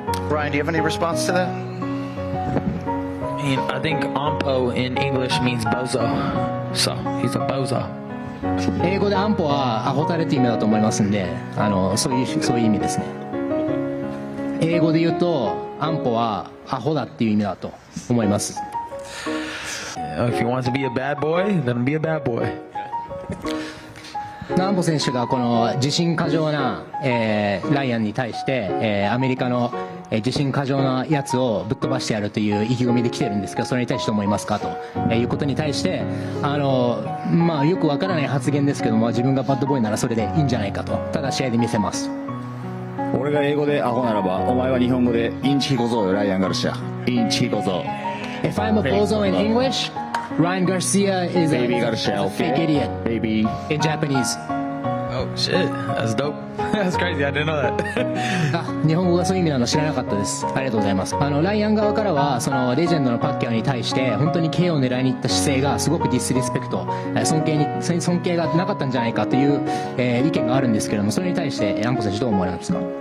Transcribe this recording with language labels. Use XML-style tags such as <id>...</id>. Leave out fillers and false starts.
<en>Brian, do you have any response to that? I think Ampo in English means bozo. So, he's a bozo.</en> <ja>英語でアンポはアホタレって意味だと思いますんで、そういう意味ですね。英語で言うとアンポはアホだっていう意味だと思います。</ja> <en>If he wants to be a bad boy, then be a bad boy.</en> <ja>アンポ選手がこの自信過剰な、ライアンに対して、アメリカの自信過剰なやつをぶっ飛ばしてやるという意気込みで来てるんですけど、それに対して思いますかということに対して、まあよくわからない発言ですけども、自分がバッドボーイならそれでいいんじゃないかと、ただ試合で見せます。俺が英語でアホならば、お前は日本語でインチキ小僧よ、ライアン・ガルシア、インチキ小僧。</ja> <en>If I'm a bozo in English, Ryan Garcia is a baby Garcia, fake idiot baby in Japanese. Oh shit, that's dopeThat's crazy. I didn't know that.</en> <ja>日本語がそういう意味なの知らなかったです。ありがとうございます。ライアン側からは、そのレジェンドのパッキャオに対して、本当に KO を狙いに行った姿勢がすごくディスリスペクト、尊敬がなかったんじゃないかという、意見があるんですけれども、それに対して、アンコ選手どう思われますか？</ja>